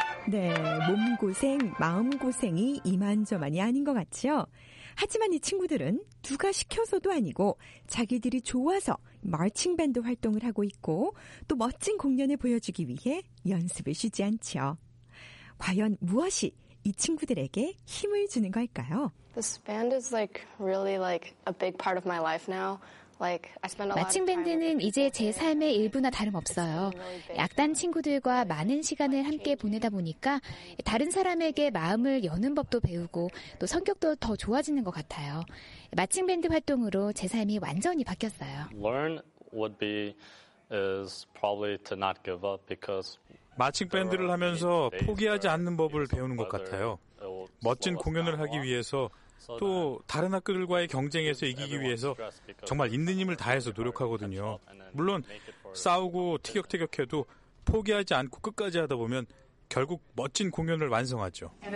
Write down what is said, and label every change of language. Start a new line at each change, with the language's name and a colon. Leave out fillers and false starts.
Korean: 네, 몸고생, 마음고생이 이만저만이 아닌 것 같죠? 하지만 이 친구들은 누가 시켜서도 아니고 자기들이 좋아서 마칭밴드 활동을 하고 있고 또 멋진 공연을 보여주기 위해 연습을 쉬지 않죠. 과연 무엇이 이 친구들에게 힘을 주는 걸까요?
English: This band is like really like a big part of my life now. Like I spend a lot of time.
Korean: 마칭 밴드는 이제 제 삶의 일부나 다름없어요. 악단 친구들과 많은 시간을 함께 보내다 보니까 다른 사람에게 마음을 여는 법도 배우고 또 성격도 더 좋아지는 것 같아요. 마칭 밴드 활동으로 제 삶이 완전히 바뀌었어요.
English: Learn would be is probably to not give up because
Korean: 마칭 밴드를 하면서 포기하지 않는 법을 배우는 것 같아요. 멋진 공연을 하기 위해서 또 다른 학교들과의 경쟁에서 이기기 위해서 정말 있는 힘을 다해서 노력하거든요. 물론 싸우고 티격태격해도 포기하지 않고 끝까지 하다 보면 결국 멋진 공연을 완성하죠.